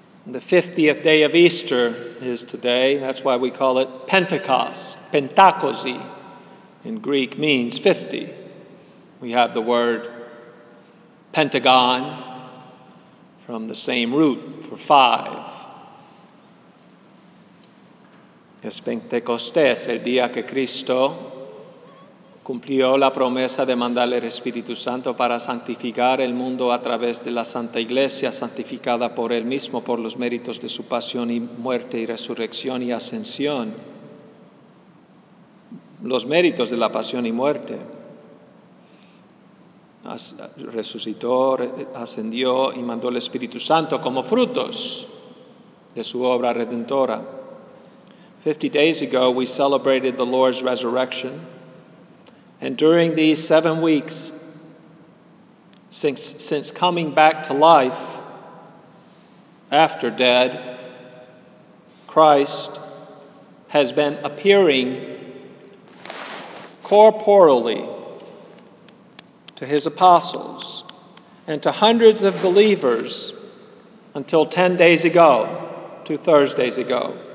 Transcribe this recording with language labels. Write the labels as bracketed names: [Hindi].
[English] The 50th day of Easter is today, that's why we call it Pentecost. Pentakosi in Greek means 50. We have the word pentagon from the same root for five. [Spanish] Es Pentecostés, el día que Cristo cumplió la promesa de mandar el Espíritu Santo para santificar el mundo a través de la Santa Iglesia, santificada por Él mismo por los méritos de su pasión y muerte y resurrección y ascensión. Los méritos de la pasión y muerte. Resucitó, ascendió y mandó el Espíritu Santo como frutos de su obra redentora. [English] 50 days ago, we celebrated the Lord's resurrection. And during these 7 weeks, since coming back to life after dead, Christ has been appearing corporally to his apostles and to hundreds of believers until 10 days ago, two Thursdays ago.